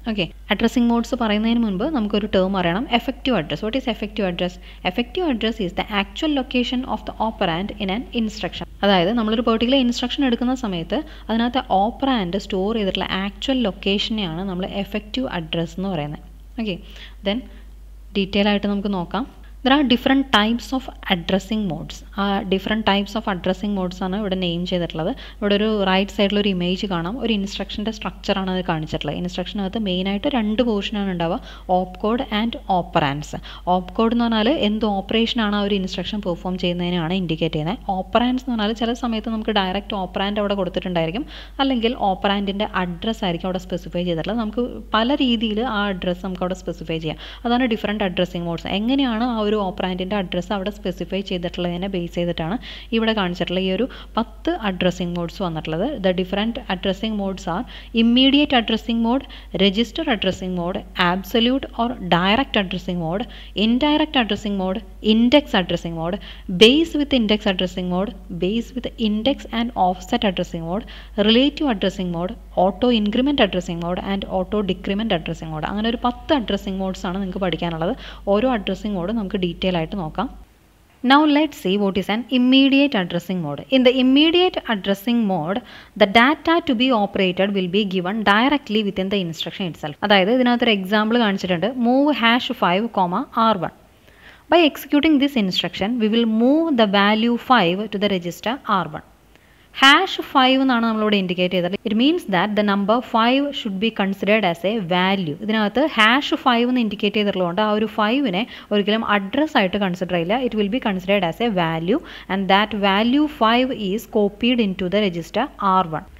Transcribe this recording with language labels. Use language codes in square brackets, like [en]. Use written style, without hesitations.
[ml] Okay, addressing modes പറയുന്നതിന് മുൻപ് നമുക്കൊരു ടേം അറിയണം, effective address. [en] What is effective address? Effective address is the actual location of the operand in an instruction. [ml] അതായത് നമ്മളൊരു particular instruction എടുക്കുന്ന സമയത്ത് അതിനകത്ത് ഓപ്പറാൻഡ് സ്റ്റോർ ചെയ്തിട്ടുള്ള ആക്ച്വൽ ലൊക്കേഷനെയാണ് നമ്മൾ എഫക്റ്റീവ് അഡ്രസ്സ് എന്ന് പറയുന്നത്. ഓക്കെ, [en] then [ml] ഡീറ്റെയിൽ ആയിട്ട് നമുക്ക് നോക്കാം. [en] There are different types of addressing modes. Different types of addressing modes [ml] ആണ് ഇവിടെ നെയിം ചെയ്തിട്ടുള്ളത്. ഇവിടെ ഒരു റൈറ്റ് സൈഡിൽ ഒരു ഇമേജ് കാണാം, ഒരു ഇൻസ്ട്രക്ഷൻ്റെ സ്ട്രക്ചറാണ് അത് കാണിച്ചിട്ടുള്ളത്. ഇൻസ്ട്രക്ഷനകത്ത് മെയിനായിട്ട് രണ്ട് പോർഷനാണ് ഉണ്ടാവുക, ഓപ്പ് code and operands. Op code എന്ന് പറഞ്ഞാൽ എന്ത് ഓപ്പറേഷനാണ് ആ ഒരു ഇൻസ്ട്രക്ഷൻ പെർഫോം ചെയ്യുന്നതിനാണ് ഇൻഡിക്കേറ്റ് ചെയ്യുന്നത്. ഓപ്പറാൻസ് എന്ന് പറഞ്ഞാൽ ചില സമയത്ത് നമുക്ക് ഡയറക്റ്റ് ഓപ്പറാൻഡ് അവിടെ കൊടുത്തിട്ടുണ്ടായിരിക്കും, അല്ലെങ്കിൽ ഓപ്പറാൻഡിൻ്റെ അഡ്രസ്സ് ആയിരിക്കും അവിടെ സ്പെസിഫൈ ചെയ്തിട്ടുള്ളത്. നമുക്ക് പല രീതിയിൽ ആ അഡ്രസ്സ് നമുക്ക് അവിടെ സ്പെസിഫൈ ചെയ്യാം. അതാണ് ഡിഫറൻറ്റ് അഡ്രസ്സിംഗ് മോഡ്സ്. എങ്ങനെയാണ് ആ ഒരു ഓപ്പറാൻഡിൻ്റെ അഡ്രസ്സ് അവിടെ സ്പെസിഫൈ ചെയ്തിട്ടുള്ളതിനെ ബേസ് ചെയ്തിട്ടാണ് ഇവിടെ കാണിച്ചിട്ടുള്ള ഈ ഒരു 10 അഡ്രസ്സിംഗ് മോഡ്സ് വന്നിട്ടുള്ളത്. [en] The different addressing modes are immediate addressing mode, register addressing mode, absolute or direct addressing mode, indirect addressing mode, index addressing mode, base with index addressing mode, base with index and offset addressing mode, relative addressing mode, auto increment addressing mode and auto decrement addressing mode. [ml] അങ്ങനെ ഒരു 10 addressing modes ആണ് നിങ്ങൾക്ക് പഠിക്കാനുള്ളത്. ഓരോ addressing mode നമുക്ക് detail ആയിട്ട് നോക്കാം. [en] Now let's see what is an immediate addressing mode. In the immediate addressing mode, the data to be operated will be given directly within the instruction itself. [ml] അതായത് ഇതിനകത്തൊരു example കാണിച്ചിട്ടുണ്ട്, move hash 5, R1. [en] By executing this instruction, we will move the value 5 to the register R1. Hash 5 [ml] എന്നാണ് നമ്മളിവിടെ indicate ചെയ്തത്. [en] It means that the number 5 should be considered as a value. [ml] ഇതിനകത്ത് hash 5 എന്ന് indicate ചെയ്തിട്ടുള്ളതുകൊണ്ട് ആ ഒരു 5 ഒരിക്കലും address ആയിട്ട് consider ചെയ്യില്ല. [en] It will be considered as a value and that value 5 is copied in to the register R1.